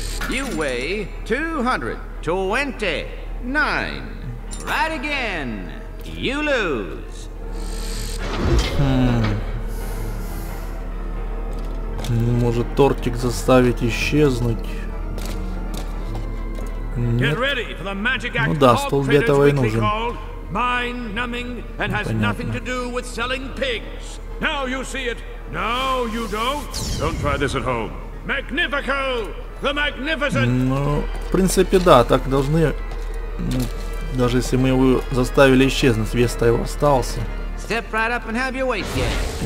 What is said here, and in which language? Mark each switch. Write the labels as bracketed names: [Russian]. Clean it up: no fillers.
[English] You weigh 229. Right again. You lose. [Russian] Может тортик заставить исчезнуть? Нет. Ну да, столб для этого и нужен. [English] mind-numbing and has nothing to do with selling pigs. Now you see it. No, you don't. Don't try this at home. Magnifico! The Magnificent! [Russian] Ну, в принципе, да, так должны... Даже если мы его заставили исчезнуть, вес-то его остался. [English] Step right up and have your weight, yes.